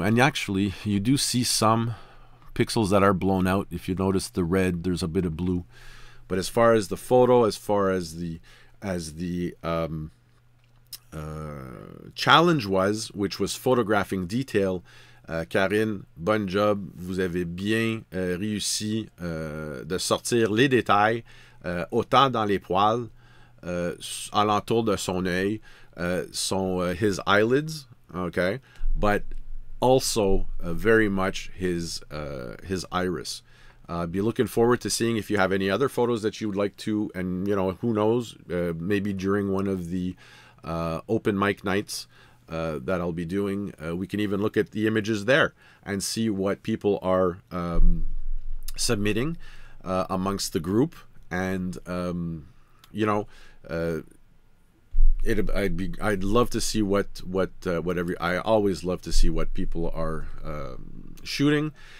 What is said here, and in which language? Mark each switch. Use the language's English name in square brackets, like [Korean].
[English] And actually, you do see some pixels that are blown out. If you notice the red, there's a bit of blue. But as far as the photo, as far as the challenge was, which was photographing detail, Karine, [French] bon job. Vous avez bien réussi de sortir les détails, autant dans les poils, alentour de son œil. [English] His eyelids, okay, but also very much his iris. Be looking forward to seeing if you have any other photos that you would like to, and you know, who knows, maybe during one of the open mic nights that I'll be doing, we can even look at the images there and see what people are submitting amongst the group, and you know, I'd love to see I always love to see what people are shooting.